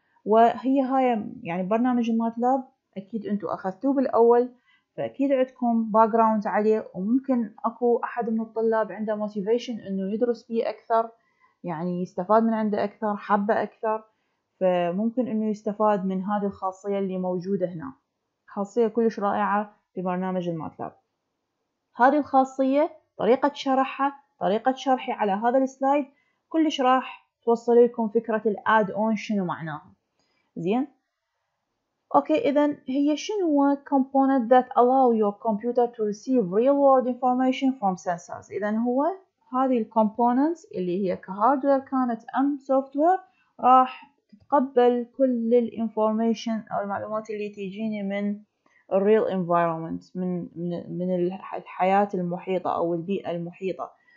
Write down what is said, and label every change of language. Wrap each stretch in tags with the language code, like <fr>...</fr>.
<ar>وهي هاي يعني برنامج الماتلاب اكيد انتو اخذتوه بالاول، فاكيد عندكم background عليه، وممكن اكو احد من الطلاب عنده motivation انه يدرس بيه اكثر، يعني يستفاد من عنده اكثر، حبه اكثر، فممكن انه يستفاد من هذه الخاصية اللي موجودة هنا، خاصية كلش رائعة في برنامج الماتلاب. هذه الخاصية طريقة شرحها، طريقة شرحي على هذا السلايد كلش راح توصل لكم فكرة الاد اون شنو معناها زين. اوكي اذا هي شنو</ar> <en>component that allow your computer to receive real world information from sensors.</en> <ar>اذا هو هذه الكومبوننتس اللي هي كهاردوير كانت ام سوفتوير راح تقبل كل الانفورميشن او المعلومات اللي تجيني من الريل انفايرمنت، من الحياة المحيطة او البيئة المحيطة.</ar>